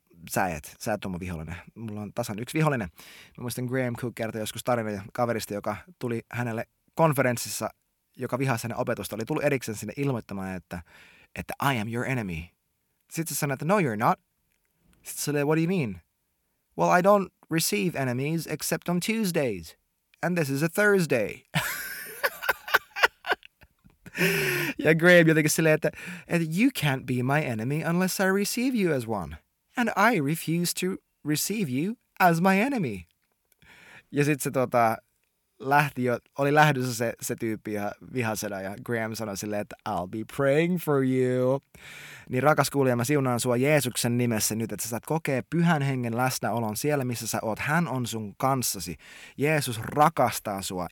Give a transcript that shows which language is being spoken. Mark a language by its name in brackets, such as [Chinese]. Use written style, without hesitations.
[Finnish] Sä et ole mun vihollinen. Mulla on tasan yksi vihollinen. Mä muistan Graham Cook kertoi joskus tarinan kaverista, joka tuli hänelle konferenssissa, joka vihasi hänen opetusta. Oli tullut erikseen sinne ilmoittamaan, että [English] I am your enemy. [Finnish] Sitten se sanoi, että [English] no you're not. [Finnish] Sitten se sanoi, [English] what do you mean? Well, I don't receive enemies except on Tuesdays. And this is a Thursday. [Finnish] Ja Graham jotenkin silleen, että [English] you can't be my enemy unless I receive you as one. And I refuse to receive you as my enemy. [Finnish] Ja sit se lähti jo, oli lähdössä se tyyppi ja vihasena ja Graham sanoi silleen, että [English] I'll be praying for you. [Finnish] Niin rakas kuulija, mä siunaan sua Jeesuksen nimessä nyt, että sä saat kokea pyhän hengen läsnäolon siellä, missä sä oot. Hän on sun kanssasi. Jeesus rakastaa sua.